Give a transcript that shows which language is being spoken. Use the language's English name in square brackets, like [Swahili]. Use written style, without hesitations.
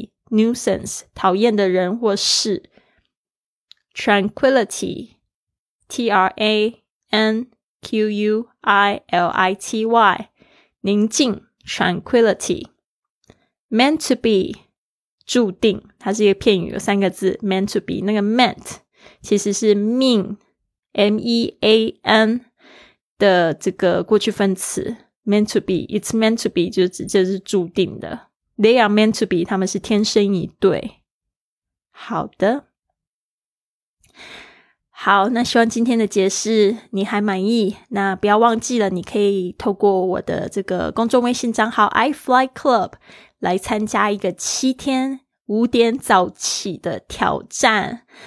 [Chinese] nuisance, 讨厌的人或事。 Tranquility, T-R-A-N-Q-U-I-L-I-T-Y, 宁静 tranquility. Meant to be, 注定，它是一个片语，有三个字 meant to be, 那个 meant 其实是 mean, M-E-A-N 的这个过去分词。 [English] Meant to be, it's meant to be, [Chinese] 就指这是注定的。 [English] They are meant to be, [Chinese] 他们是天生一对。好的。好，那希望今天的解释你还满意。那不要忘记了，你可以透过我的这个公众微信账号 iFly Club 来参加一个七天五点早起的挑战。